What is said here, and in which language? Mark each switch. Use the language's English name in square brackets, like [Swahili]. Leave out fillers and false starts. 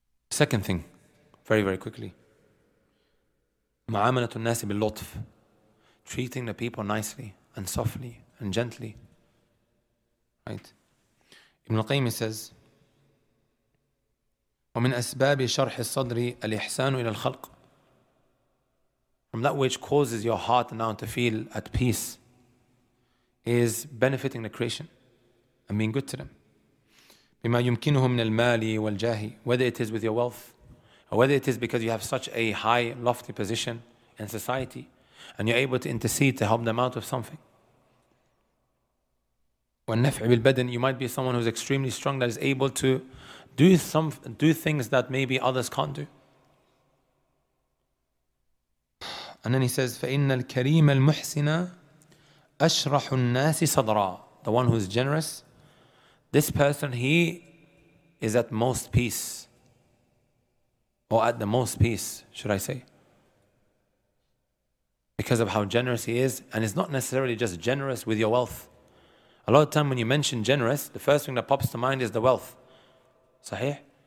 [English] Second thing, very, very quickly. [Arabic] مَعَامَلَةُ النَّاسِ بِاللُّطْفِ. [English] Treating the people nicely and softly and gently. Right? Ibn al-Qayyim says, [Arabic] وَمِنْ أَسْبَابِ شَرْحِ الصَّدْرِ الْإِحْسَانُ إِلَى الْخَلْقِ. [English] From that which causes your heart now to feel at peace is benefiting the creation and being good to them. [Arabic] بِمَا يُمْكِنُهُ مِنَ الْمَالِ وَالْجَاهِ. [English] Whether it is with your wealth or whether it is because you have such a high, lofty position in society and you're able to intercede to help them out with something. [Arabic] وَالنَّفْعِ بِالْبَدْنِ. [English] You might be someone who's extremely strong that is able to do things that maybe others can't do. And then he says, [Arabic] فَإِنَّ الْكَرِيمَ الْمُحْسِنَ أَشْرَحُ النَّاسِ صَدْرًا. [English] The one who's generous, this person, he is at most peace. Or at the most peace, should I say. Because of how generous he is. And it's not necessarily just generous with your wealth. A lot of time when you mention generous, the first thing that pops to mind is the wealth. Sahih?